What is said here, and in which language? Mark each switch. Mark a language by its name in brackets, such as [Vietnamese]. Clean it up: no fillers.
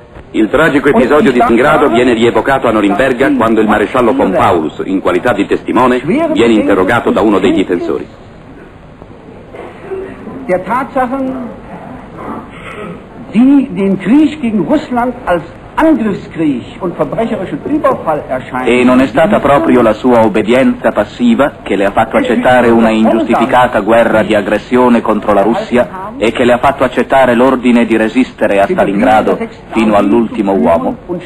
[Italian] Il tragico episodio di Stalingrado viene rievocato a Norimberga quando il maresciallo von Paulus, in qualità di testimone, viene interrogato da uno dei difensori. [German] Der Tatsachen, die den Krieg gegen Russland als Angriffskrieg und verbrecherischen Überfall erscheinen. [Italian] E non è stata proprio la sua obbedienza passiva che le ha fatto accettare una ingiustificata guerra di aggressione contro la Russia e che le ha fatto accettare l'ordine di resistere a Stalingrado fino all'ultimo uomo.